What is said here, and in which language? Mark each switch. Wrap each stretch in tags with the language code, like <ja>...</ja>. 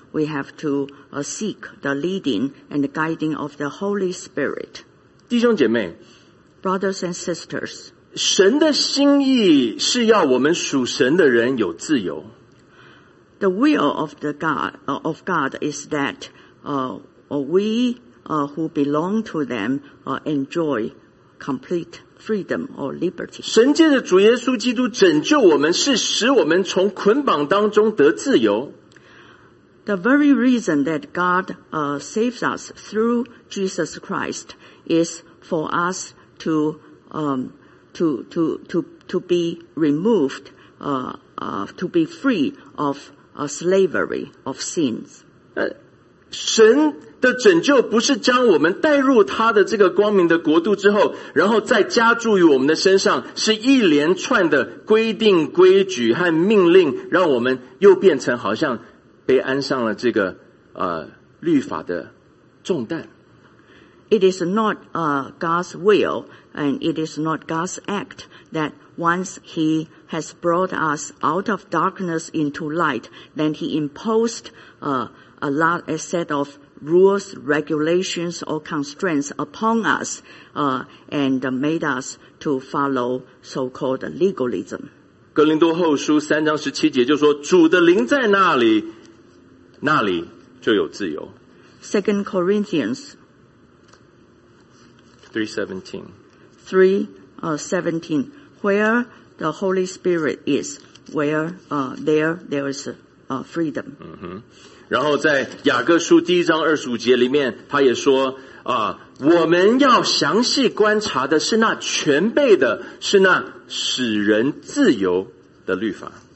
<en>We have to seek the leading and the guiding of the Holy Spirit.</en> <zh>弟兄姐妹。</zh> <en>Brothers and sisters,</en> <zh>神的心意是要我们属神的人有自由。</zh> <en>The will of the God of God is that we who belong to them enjoy complete freedom or liberty.</en> <zh>神借着主耶稣基督拯救我们，是使我们从捆绑当中得自由。</zh> <en>The very reason that God saves us through Jesus Christ is for us. To be removed, to be free of slavery of sins.</en> <zh>神的拯救不是将我们带入他的这个光明的国度之后，然后再加注于我们的身上，是一连串的规定、规矩和命令，让我们又变成好像被安上了这个律法的重担。</zh> <en>It is not God's will, and it is not God's act that once He has brought us out of darkness into light, then He imposed a set of rules, regulations, or constraints upon us and made us to follow so-called legalism.</en> <zh>哥林多后书三章十七节就说，主的灵在那里，那里就有自由。</zh> <en>Second Corinthians 3:17 Where the Holy Spirit is, there is freedom.</en> <zh>然后在雅各书第一章二十五节里面，他也说我们要详细观察的是那全备的，是那使人自由的律法。</zh>